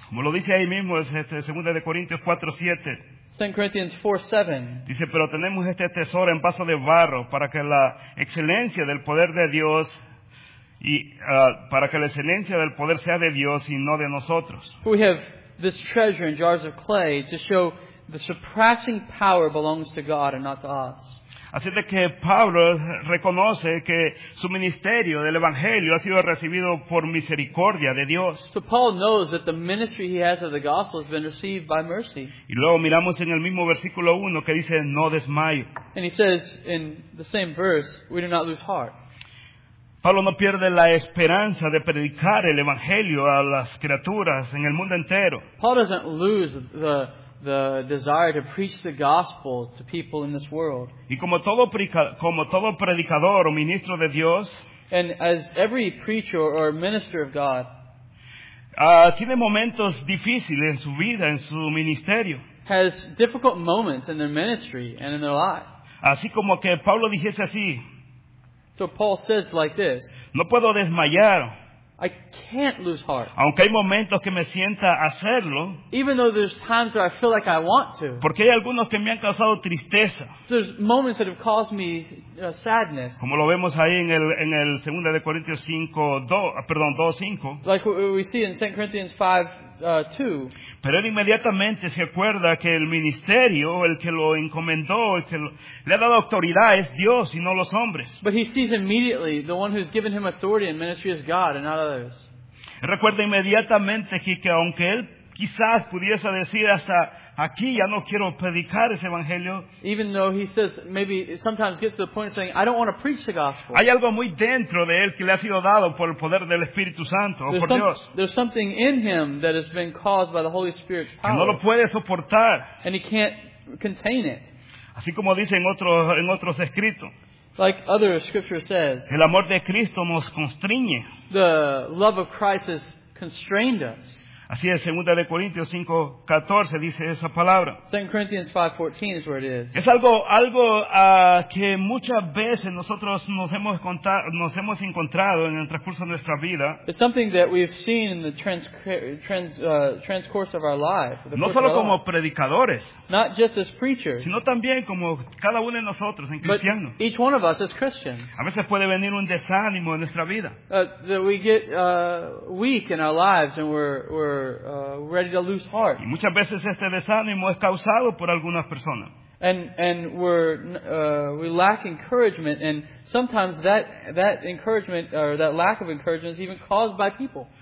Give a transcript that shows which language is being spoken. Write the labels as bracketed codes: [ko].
[es] Como lo dice ahí mismo, es segunda de Corintios 4:7. [en] 2 Corinthians 4:7. [es] Dice, pero tenemos este tesoro en vaso de barro para que la excelencia del poder de Dios y para que la excelencia del poder sea de Dios y no de nosotros. [en] We have this treasure in jars of clay to show the surpassing power belongs to God and not to us. [es] Así de que Pablo reconoce que su ministerio del Evangelio ha sido recibido por misericordia de Dios. [en] So Paul knows that the ministry he has of the gospel has been received by mercy. [es] Y luego miramos en el mismo versículo 1 que dice, no desmayo. [en] And he says in the same verse, we do not lose heart. [es] Pablo no pierde la esperanza de predicar el Evangelio a las criaturas en el mundo entero. [en] Paul doesn't lose the desire to preach the gospel to people in this world. [es] Y como todo predicador o ministro de Dios, [en] and as every preacher or minister of God, [es] tiene momentos difíciles en su vida, en su ministerio. [en] Has difficult moments in their ministry and in their life. [es] Así como que Pablo dijese así. [en] So Paul says like this. [es] No puedo desmayar. [en] I can't lose heart. [es] Aunque hay momentos que me sienta hacerlo. [en] Even though there's times where I feel like I want to. [es] Porque hay algunos que me han causado tristeza. [en] There's moments that have caused me sadness. [es] Como lo vemos ahí en el 2 de Corintios 5, 2, perdón, 2:5. [en] Like we see in 2 Corinthians 5:2. [es] Pero él inmediatamente se acuerda que el ministerio, el que lo encomendó, el que le ha dado autoridad, es Dios y no los hombres. [en] But he sees immediately the one who's given him authority and ministry is God and not others. [es] Recuerda inmediatamente que aunque él quizás pudiese decir hasta aquí ya no quiero predicar ese evangelio. [en] Even though he says maybe sometimes gets to the point of saying I don't want to preach the gospel. [es] Hay algo muy dentro de él que le ha sido dado por el poder del Espíritu Santo o por Dios. [en] There's something in him that has been caused by the Holy Spirit's power. [es] Que no lo puede soportar. [en] And he can't contain it. [es] Así como dice en otros escritos. [en] Like other scripture says. [es] El amor de Cristo nos constriñe. [en] The love of Christ has constrained us. [es] Así es, 2 Corintios 5:14 dice esa palabra. [en] 2 Corinthians 5:14 is where it is. [es] Es algo que muchas veces nosotros nos hemos encontrado en el transcurso de nuestra vida. [en] It's something that we've seen in the transcurse of our life. [es] No solo como predicadores, [en] not just as preachers, [es] sino también como cada uno de nosotros en cristiano. [en] But each one of us as Christians. [es] A veces puede venir un desánimo en nuestra vida. [en] That we get weak in our lives and we're ready to lose heart. [es] Y muchas veces este desánimo es causado por algunas personas. [en] And we lack encouragement, and sometimes that encouragement or that lack of encouragement is even caused by people.